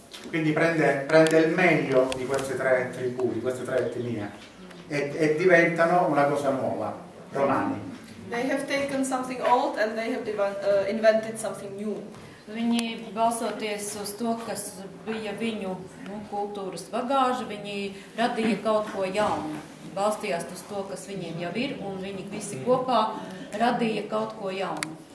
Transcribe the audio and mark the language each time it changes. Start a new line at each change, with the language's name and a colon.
Italian: Quindi prende il meglio di queste tre tribù, di queste tre etnie e diventano una cosa nuova, romani.
English: They have taken something old and they have invented something new.
Latvian: Viņi balsoties uz to, kas bija viņu kultūras bagāža, viņi radīja kaut ko jaunu. Balstījās uz to, kas viņiem jau ir, un viņi visi kopā radīja kaut ko jaunu.